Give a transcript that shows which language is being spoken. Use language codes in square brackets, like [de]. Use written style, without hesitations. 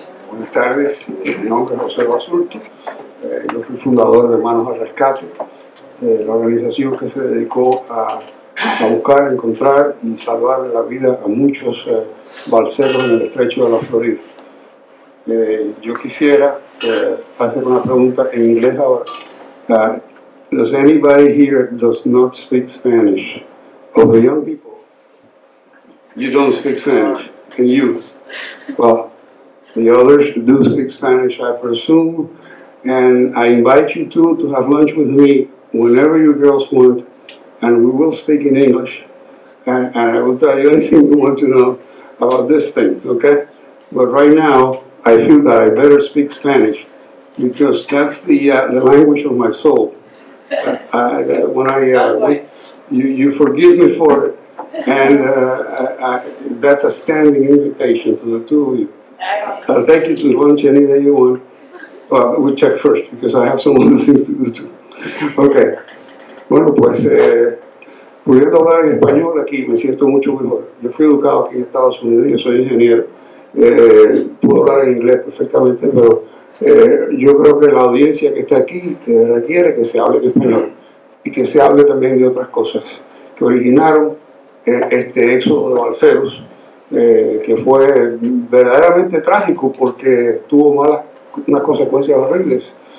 [es] Buenas tardes, mi nombre es José Basulto, yo fui fundador de Manos al Rescate, la organización que se dedicó a buscar, encontrar y salvar la vida a muchos balseros en el estrecho de la Florida. Yo quisiera hacer una pregunta en inglés ahora. [en] Does anybody here does not speak Spanish? Of the young people, you don't speak Spanish, and you? Well, the others do speak Spanish, I presume, and I invite you two to have lunch with me whenever you girls want, and we will speak in English, and I will tell you anything you want to know about this thing, okay? But right now, I feel that I better speak Spanish, because that's the language of my soul. You forgive me for it, and that's a standing invitation to the two of you. I'll take you to lunch any day you want. Well, we'll check first, because I have some other things to do, too. Okay. [es] Bueno, pues, pudiendo hablar en español aquí, me siento mucho mejor. Yo fui educado aquí en Estados Unidos, yo soy ingeniero. Puedo hablar en inglés perfectamente, pero yo creo que la audiencia que está aquí requiere que se hable en español y que se hable también de otras cosas que originaron este éxodo de balseros, que fue verdaderamente trágico porque tuvo unas consecuencias horribles.